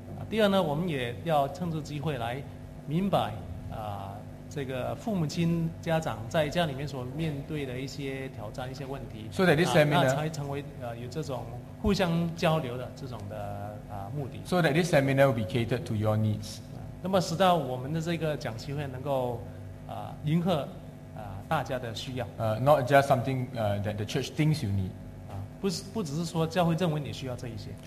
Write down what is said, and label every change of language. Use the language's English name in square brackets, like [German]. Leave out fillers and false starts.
[Chinese] 第二呢，我们也要趁着机会来明白这个父母亲家长在家里面所面对的一些挑战、一些问题。 [English] So that this seminar [Chinese] 才成为有这种。互相交流的这种的目的。 [English] So that this seminar will be catered to your needs. [Chinese] 那么使到我们的这个讲机会能够迎合大家的需要。 [English] Not just something that the church thinks you need. [Chinese] 不只是说教会认为你需要这一些。